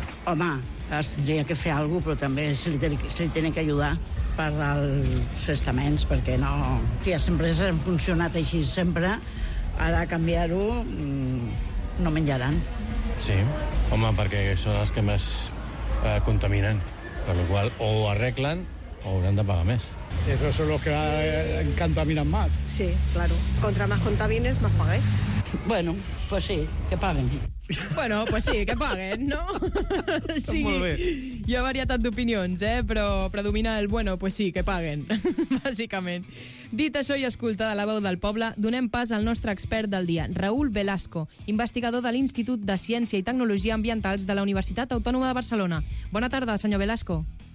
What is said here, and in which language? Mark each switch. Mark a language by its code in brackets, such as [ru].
[ca] Home, es tindria que fer alguna cosa, però també se li tenen que ajudar per als estaments, perquè no... Si les empreses han funcionat així sempre, ara canviar-ho no menjaran. Sí, home, perquè són les que més contaminen, per la qual o arreglen o hauran de pagar més. [es] Eso son los que contaminan más. Sí, claro. Contra más contamines, más pagues. Bueno, pues sí, que paguen. Bueno, pues sí, que paguen, no? [ca] Està sí, molt bé. Hi ha varietat d'opinions, eh? Però predomina el [es] bueno, pues sí, que paguen, [ca] bàsicament. Dit això i escoltada la veu del poble, donem pas al nostre expert del dia, Raül Velasco, investigador de l'Institut de Ciència i Tecnologia Ambientals de la Universitat Autònoma de Barcelona. Bona tarda, senyor Velasco.